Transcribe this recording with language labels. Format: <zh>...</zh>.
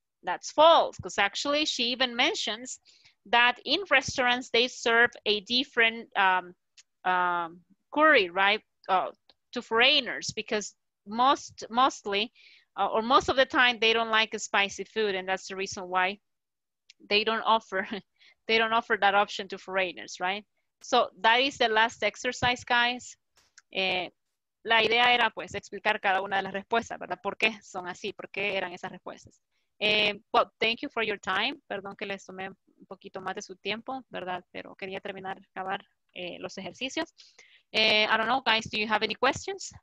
<en>That's false, because actually she even mentions that in restaurants, they serve a different curry, right, to foreigners, because most of the time they don't like spicy food, and that's the reason why they don't offer that option to foreigners, right? So that is the last exercise, guys.</en> <es>La idea era pues explicar cada una de las respuestas, ¿verdad? ¿Por qué son así? ¿Por qué eran esas respuestas?</es> <en>Well, thank you for your time.</en> <es>Perdón que les tomé un poquito más de su tiempo, ¿verdad? Pero quería terminar, acabar los ejercicios.</es> <en>I don't know, guys, do you have any questions?</en>